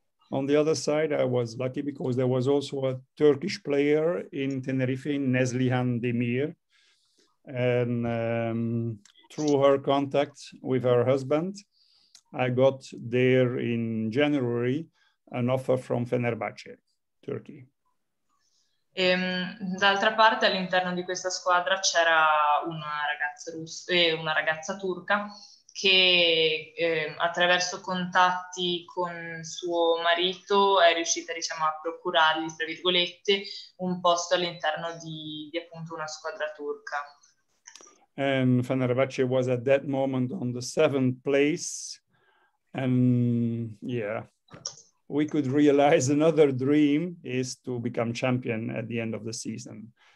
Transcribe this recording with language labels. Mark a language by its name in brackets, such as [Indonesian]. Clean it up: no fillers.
[English] On the other side, I was lucky because there was also a Turkish player in Tenerife, Neslihan Demir, and through her contact with her husband, I got there in January an offer from Fenerbahce, Turkey. [Italian] D'altra parte, all'interno di questa squadra c'era una ragazza russa e una ragazza turca che attraverso contatti con suo marito è riuscita, diciamo, a procurargli, tra virgolette, un posto all'interno di appunto una squadra turca. [English] And Fenerbahce was at that moment on the seventh place. And yeah, we could realize another dream is to become champion at the end of the season.